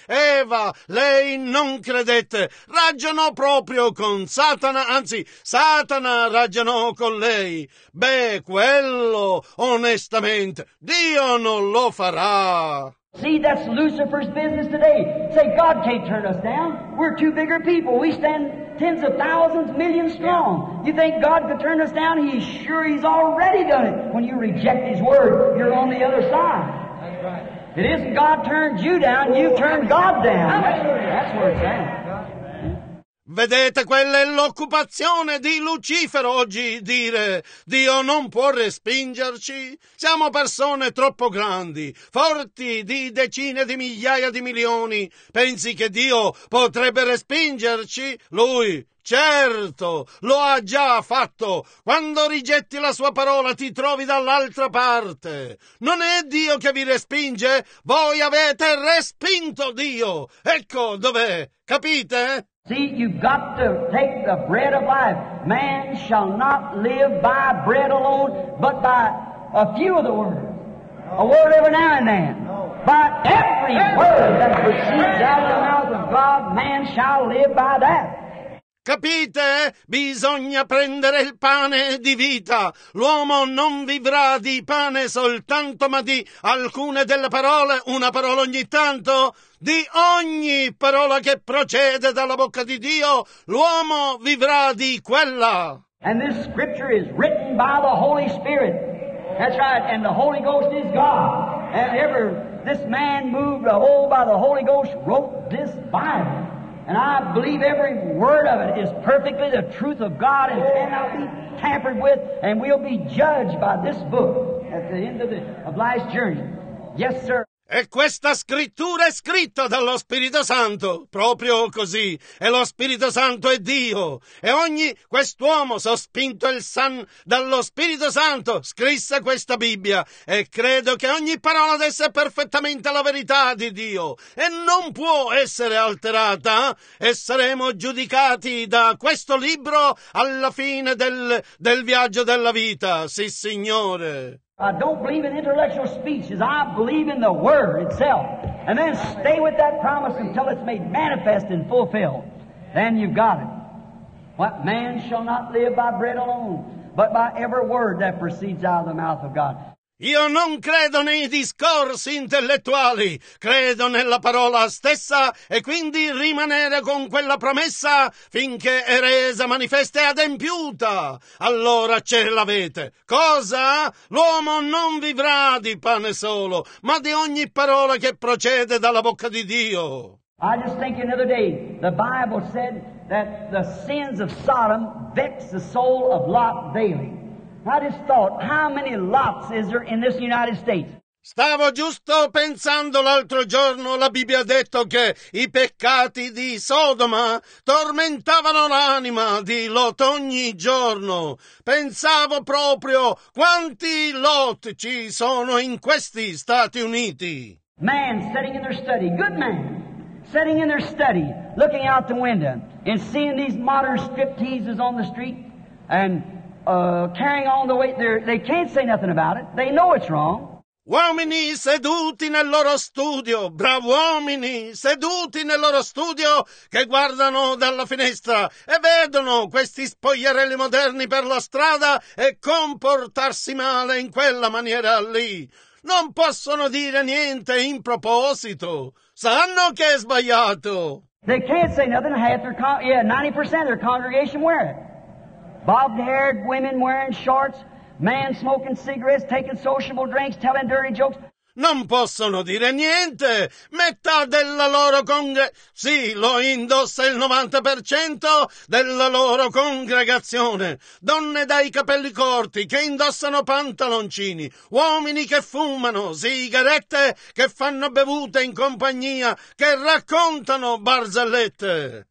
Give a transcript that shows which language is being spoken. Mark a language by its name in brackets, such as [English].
[Italian] Eva, lei non credette, ragionò proprio con Satana, anzi Satana ragionò con lei. Beh, quello onestamente Dio non lo farà. [English] See, that's Lucifer's business today. Say, God can't turn us down. We're too bigger people. We stand tens of thousands, millions strong. You think God could turn us down? He's sure he's already done it. When you reject his word, you're on the other side. That's right. It isn't God turned you down, you turned God down. That's where it's at. [Italian] Vedete, quella è l'occupazione di Lucifero oggi, dire Dio non può respingerci. Siamo persone troppo grandi, forti di decine di migliaia di milioni. Pensi che Dio potrebbe respingerci? Lui, certo, lo ha già fatto. Quando rigetti la sua parola ti trovi dall'altra parte. Non è Dio che vi respinge? Voi avete respinto Dio. Ecco dov'è, capite? [English] See, you've got to take the bread of life. Man shall not live by bread alone, but by a few of the words. A word every now and then. By every word that proceeds out of the mouth of God, man shall live by that. [Italian] Capite? Bisogna prendere il pane di vita. L'uomo non vivrà di pane soltanto, ma di alcune delle parole, una parola ogni tanto. Di ogni parola che procede dalla bocca di Dio, l'uomo vivrà di quella. [English] And this scripture is written by the Holy Spirit. That's right, and the Holy Ghost is God. And ever this man moved by the Holy Ghost wrote this Bible. And I believe every word of it is perfectly the truth of God and cannot be tampered with, and we'll be judged by this book at the end of life's journey. Yes, sir. [Italian] E questa scrittura è scritta dallo Spirito Santo, proprio così. E lo Spirito Santo è Dio. E ogni quest'uomo, sospinto dallo Spirito Santo, scrisse questa Bibbia. E credo che ogni parola desse perfettamente la verità di Dio. E non può essere alterata. E saremo giudicati da questo libro alla fine del viaggio della vita. Sì, Signore. [English] I don't believe in intellectual speeches. I believe in the Word itself. And then stay with that promise until it's made manifest and fulfilled. Then you've got it. What man shall not live by bread alone, but by every word that proceeds out of the mouth of God. [Italian] Io non credo nei discorsi intellettuali, credo nella parola stessa e quindi rimanere con quella promessa finché è resa manifesta e adempiuta. Allora ce l'avete. Cosa? L'uomo non vivrà di pane solo, ma di ogni parola che procede dalla bocca di Dio. [English] I just think another day, the Bible said that the sins of Sodom vexed the soul of Lot daily. I just thought, how many lots is there in this United States? [Italian] Stavo giusto pensando l'altro giorno, la Bibbia ha detto che i peccati di Sodoma tormentavano l'anima di Lot ogni giorno. Pensavo proprio, quanti Lot ci sono in questi Stati Uniti? [English] Man sitting in their study, good man, sitting in their study, looking out the window and seeing these modern stripteases on the street and carrying on the way they can't say nothing about it. They know it's wrong. [Italian] Uomini seduti nel loro studio, bravi uomini seduti nel loro studio che guardano dalla finestra e vedono questi spogliarelli moderni per la strada e comportarsi male in quella maniera lì. Non possono dire niente in proposito. Sanno che è sbagliato. [English] They can't say nothing. Half their 90% of their congregation wear it. Bobbed-haired women wearing shorts, man smoking cigarettes, taking sociable drinks, telling dirty jokes. [Italian] Non possono dire niente. Metà della loro sì, lo indossa il 90% della loro congregazione. Donne dai capelli corti che indossano pantaloncini. Uomini che fumano sigarette, che fanno bevute in compagnia, che raccontano barzellette.